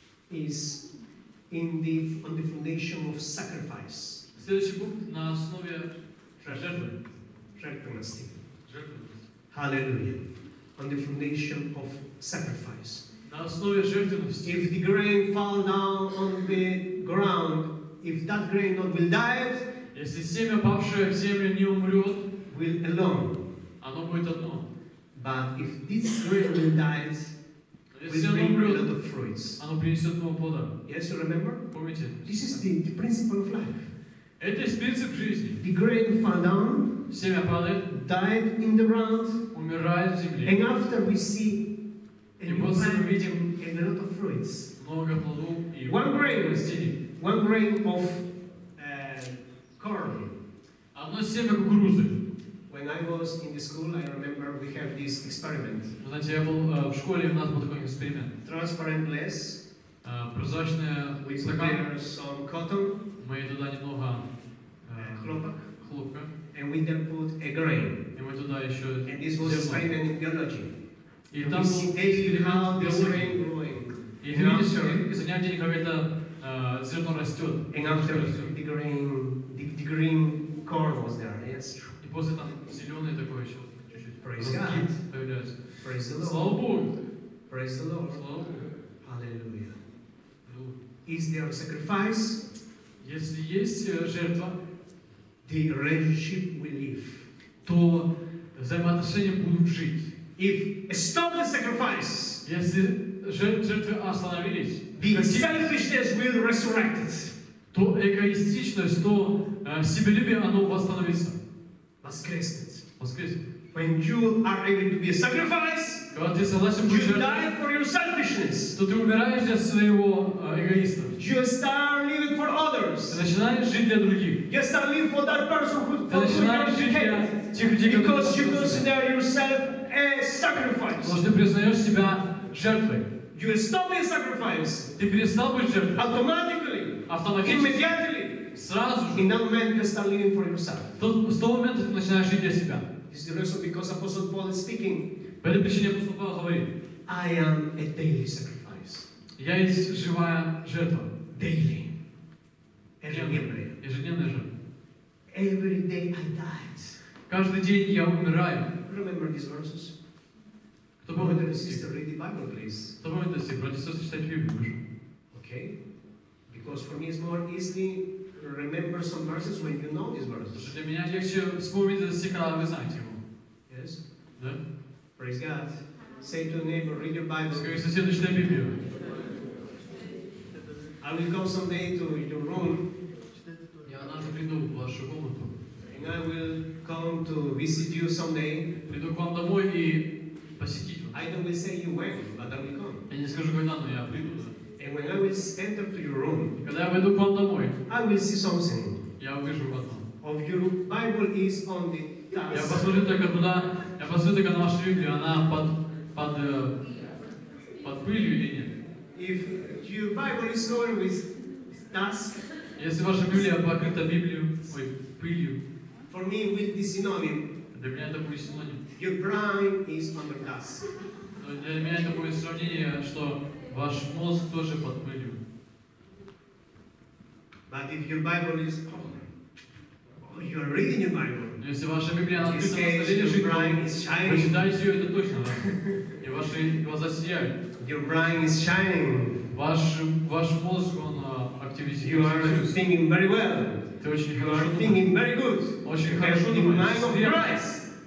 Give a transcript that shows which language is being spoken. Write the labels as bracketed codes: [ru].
[en] Is in the on the foundation of sacrifice. [ru] Следующий пункт на основе жертвы. Жертвенности. [en] Hallelujah. On the foundation of sacrifice. [ru] На основе жертвенности. [en] If the grain fall down on the ground, if that grain not will die, [ru] если семя, павшее в землю, не умрет, [en] will alone. [ru] Оно будет одно. [en] But if this grain will die, will bring a lot of fruits. [ru] Оно принесет много плода. [en] Yes, you remember? [ru] Помните? [en] This is the principle of life. [ru] Это принцип жизни. [en] The grain fall down. [ru] Семя падает. [en] Died in the ground. [ru] Умирает в земле. [en] And after we see a new plant, [ru] видим, [en] and a lot of fruits. [ru] Много плодов и [en] One grain of corn. [ru] Одно семя кукурузы. [en] When I was in the school, I remember we have this experiment. [ru] Знаете, я был в школе, у нас был такой эксперимент. [en] Transparent glass. [ru] Прозрачная стакан. [en] We prepare some cotton. [ru] Мы туда немного хлопок. Хлопка. [en] And we then put a grain. [ru] И мы туда еще. [en] And this was experiment in biology. [ru] И там был эксперимент в биологии. И видишь, занятие, как это зерно растет. [en] And after the grain, the green corn was there. Yes. [ru] После там зеленый такой еще чуть-чуть. [en] Praise God. [ru] Появляется. [en] Praise the Lord. [ru] Слава Богу. [en] Praise the Lord. [ru] Слава Богу. [en] Hallelujah. Is there a sacrifice? [ru] Если есть жертва, [en] the relationship will live. [ru] То взаимоотношения будут жить. [en] If stop the sacrifice. [ru] Если жертвы остановились, [en] the selfishness will resurrect. [ru] То эгоистичность, то себелюбие, оно восстановится. Воскреснет. [en] When you are able to be a sacrifice, God is allowing you to die for your selfishness. [ru] То ты умираешь для своего эгоизма. [en] You start living for others. [ru] Ты начинаешь жить для других. [en] You start living for that person who [ru] ты начинаешь жить для тех людей, [en] because you consider yourself a sacrifice. [ru] Потому что ты признаешь себя жертвой. [en] You stop being a sacrifice. [ru] Ты перестал быть жертвой. [en] Automatically. [ru] Автоматически. [en] Immediately. [ru] Сразу же. [en] In that moment you start living for yourself. [ru] С того момента ты начинаешь жить для себя. [en] This is also because Apostle Paul is speaking. [ru] По этой причине апостол Павел говорит. [en] I am a daily sacrifice. [ru] Я есть живая жертва. [en] Daily. [ru] Ежедневная. Ежедневная жертва. [en] Every day I died. [ru] Каждый день я умираю. [en] Remember these verses. [ru] Кто помнит эти стихи? [en] Read the Bible, please. [ru] Кто помнит эти стихи? Братья, сестры, читайте Библию, Божью. [en] Okay. Because for me it's more easily. Remember some verses when you know these verses. [ru] Для меня легче вспомнить этот стих, когда вы знаете его. [en] Yes. [ru] Да. [en] Praise God. Say to the neighbor, read your Bible. [ru] Скажи соседу, читай Библию. [en] I will come someday to your room. [ru] Я однажды приду в вашу комнату. [en] And I will come to visit you someday. [ru] Приду к вам домой и посетить вас. [en] I don't will say you when, but I will come. [ru] Я не скажу когда, но я приду. [en] And when I will enter to your room, [ru] когда я войду к вам домой, [en] I will see something. [ru] Я увижу вас. [en] Of your Bible is on the task. [ru] Я посмотрю только туда. Я посмотрю только на вашу Библию. Она под пылью или нет? [en] If your Bible is covered with dust, [ru] если ваша Библия покрыта Библию, ой, пылью. [en] For me, with the synonym. [ru] Для меня это будет синоним. [en] Your brain is under dust. [ru] Для меня это будет сравнение, что ваш мозг тоже под пылью. [en] But if your Bible is, you are reading your Bible. [ru] Если ваша Библия открыта, прочитайте ее, это точно. И ваши глаза сияют. [en] Your brain is shining. [ru] Ваш мозг он активизирует. [en] You are thinking very well. [ru] Ты очень [en] you [ru] хорошо. [en] You are thinking very good. [ru] Очень [en] you [ru] хорошо думаешь. [en] Mind of Christ.